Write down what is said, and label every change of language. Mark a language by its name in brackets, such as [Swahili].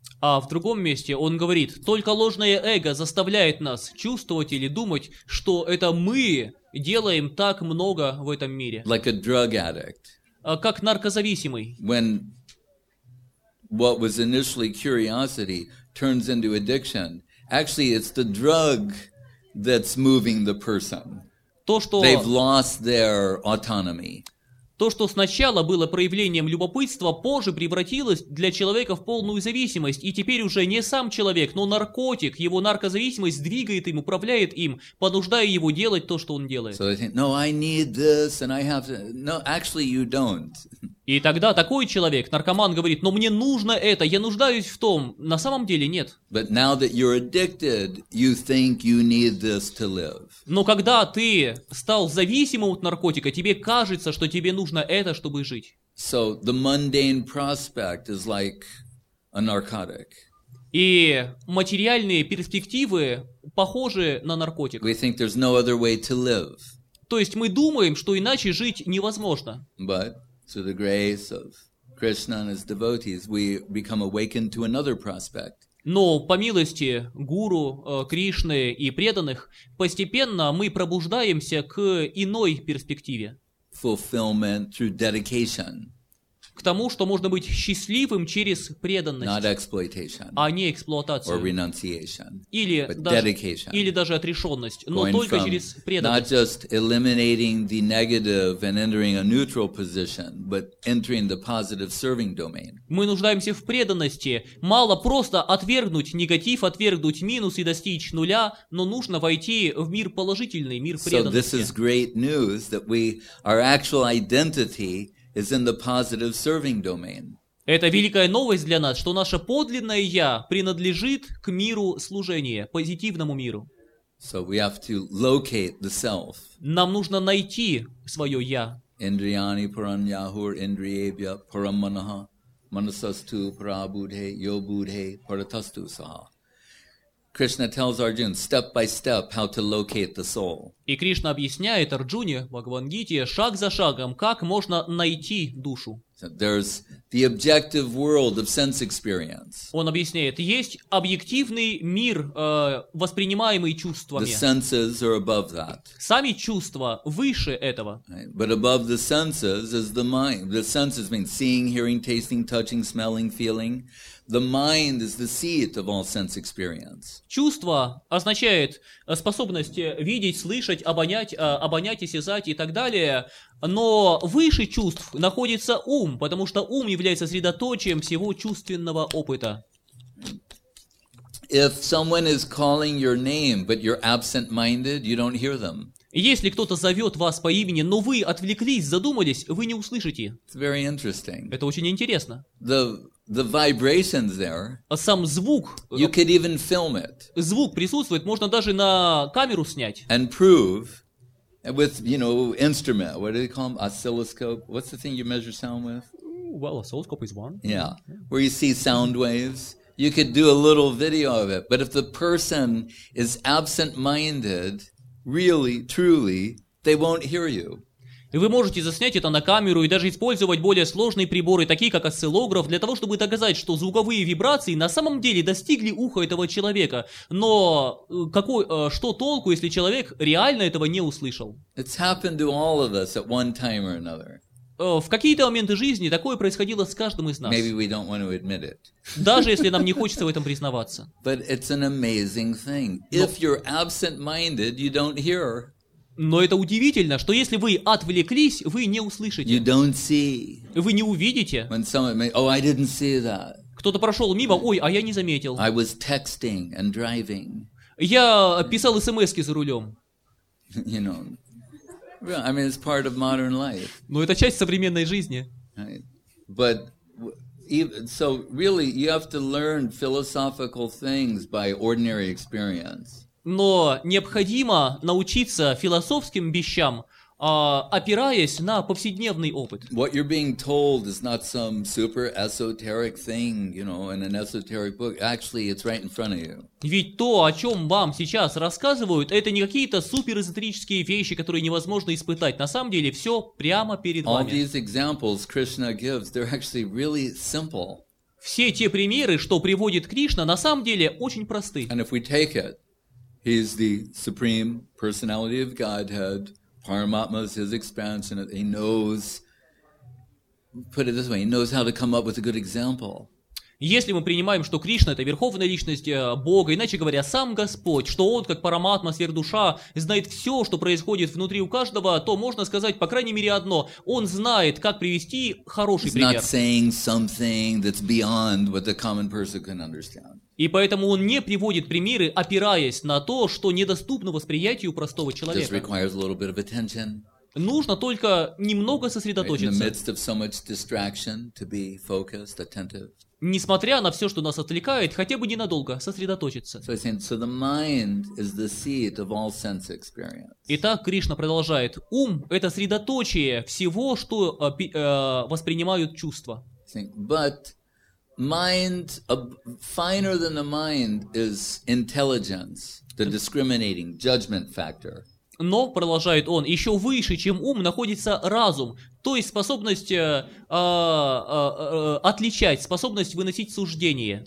[Russian] А в другом месте он говорит, только ложное эго заставляет нас чувствовать или думать, что это мы делаем так много в этом мире. [English] Like a drug addict. [Russian] Как наркозависимый. [English] When what was initially curiosity turns into addiction, actually it's the drug that's moving the person. [Russian] То, что... [English] They've lost their autonomy. [Russian] То, что сначала было проявлением любопытства, позже превратилось для человека в полную зависимость. И теперь уже не сам человек, но наркотик, его наркозависимость двигает им, управляет им, понуждая его делать то, что он делает. [English] So they think, no, I need this, and I have to... No, actually, you don't. [Russian] И тогда такой человек, наркоман, говорит, но мне нужно это, я нуждаюсь в том. На самом деле нет. [English] But now that you're addicted, you think you need this to live. [Russian] Но когда ты стал зависимым от наркотика, тебе кажется, что тебе нужно это, чтобы жить. [English] So the mundane prospect is like a narcotic. [Russian] И материальные перспективы похожи на наркотик. [English] We think there's no other way to live. [Russian] То есть мы думаем, что иначе жить невозможно. [English] But through the grace of Krishna and his devotees, we become awakened to another prospect. [Russian] Но по милости гуру, Кришны и преданных, постепенно мы пробуждаемся к иной перспективе. [English] Fulfillment through dedication. [Russian] К тому, что можно быть счастливым через преданность. [English] Not exploitation. [Russian] А не эксплуатацию. [English] Or renunciation. [Russian] Или, [English] but [Russian] даже, [English] dedication. [Russian] Или даже отрешенность. Но только через преданность. [English] Not just eliminating the negative and entering a neutral position, but entering the positive serving domain. [Russian] Мы нуждаемся в преданности. Мало просто отвергнуть негатив, отвергнуть минус и достичь нуля, но нужно войти в мир положительный, мир преданности. [English] So this is great news that we, our actual identity is in the positive serving domain. [Russian] Это великая новость для нас, что наше подлинное я принадлежит к миру служения, позитивному миру. [English] So we have to locate the self. [Russian] Нам нужно найти свое я. [Sanskrit] Индрияни параньяхур индриебья параманаха манасасту парабудхе йобудхе паратасту саха. [English] Krishna tells Arjuna step by step how to locate the soul. [Russian] И Кришна объясняет Арджуне в Бхагавад-гите шаг за шагом, как можно найти душу. [English] There's the objective world of sense experience. [Russian] Он объясняет, есть объективный мир, воспринимаемый чувствами. [English] The senses are above that. [Russian] Сами чувства выше этого. [English] Right. But above the senses is the mind. The senses mean seeing, hearing, tasting, touching, smelling, feeling. The mind is the seat of all sense experience. [Russian] Чувство означает способность видеть, слышать, обонять, обонять, осязать и так далее. Но выше чувств находится ум, потому что ум является средоточием всего чувственного опыта. [English] If someone is calling your name, but you're absent-minded, you don't hear them. [Russian] Если кто-то зовет вас по имени, но вы отвлеклись, задумались, вы не услышите. [English] It's very interesting. [Russian] Это очень интересно. [English] The vibrations there. [Russian] А сам звук. [English] You could even film it. [Russian] Звук присутствует, можно даже на камеру снять. [English] And prove with, you know, instrument. What do they call them? Oscilloscope. What's the thing you measure sound with? Well, oscilloscope is one. Yeah, where you see sound waves. You could do a little video of it. But if the person is absent-minded, really, truly, they won't hear you. [Russian] И вы можете заснять это на камеру и даже использовать более сложные приборы, такие как осциллограф, для того, чтобы доказать, что звуковые вибрации на самом деле достигли уха этого человека. Но какой, что толку, если человек реально этого не услышал? [English] It's happened to all of us at one time or another. [Russian] В какие-то моменты жизни такое происходило с каждым из нас. [English] Maybe we don't want to admit it. [Russian] Даже если нам не хочется в этом признаваться. [English] But it's an amazing thing. If you're absent-minded, you don't hear. [Russian] Но это удивительно, что если вы отвлеклись, вы не услышите. [English] You don't see. [Russian] Вы не увидите. [English] When someone may, oh, I didn't see that. [Russian] Кто-то прошел мимо, ой, а я не заметил. [English] I was texting and driving. [Russian] Я писал смски за рулем. [English] You know, I mean, it's part of modern life. [Russian] Но это часть современной жизни. [English] But so really, you have to learn philosophical things by ordinary experience. [Russian] Но необходимо научиться философским вещам, опираясь на повседневный опыт. [English] What you're being told is not some super esoteric thing, you know, in an esoteric book. Actually, it's right in front of you. [Russian] Ведь то, о чем вам сейчас рассказывают, это не какие-то суперэзотерические вещи, которые невозможно испытать. На самом деле, все прямо перед вами. [English] All these examples Krishna gives, they're actually really simple. [Russian] Все те примеры, что приводит Кришна, на самом деле очень просты. [English] And if we take it, He is the supreme personality of Godhead. Paramatma is his expansion. He knows, put it this way, he knows how to come up with a good example. [Russian] Если мы принимаем, что Кришна — это верховная личность Бога, иначе говоря, сам Господь, что Он, как Параматма, сверхдуша, знает все, что происходит внутри у каждого, то можно сказать, по крайней мере, одно. Он знает, как привести хороший пример. [English] He's not saying something that's beyond what the common person can understand. [Russian] И поэтому он не приводит примеры, опираясь на то, что недоступно восприятию простого человека. [English] This requires a little bit of attention. [Russian] Нужно только немного сосредоточиться. [English] In the midst of so much distraction, to be focused, attentive. [Russian] Несмотря на все, что нас отвлекает, хотя бы ненадолго сосредоточиться. [English] So saying, so the mind is the seat of all sense experience. [Russian] Итак, Кришна продолжает. Ум — это средоточие всего, что воспринимают чувства. [English] But mind, finer than the mind is intelligence, the discriminating judgment factor. [Russian] Но, продолжает он, еще выше, чем ум, находится разум, то есть способность отличать, способность выносить суждение.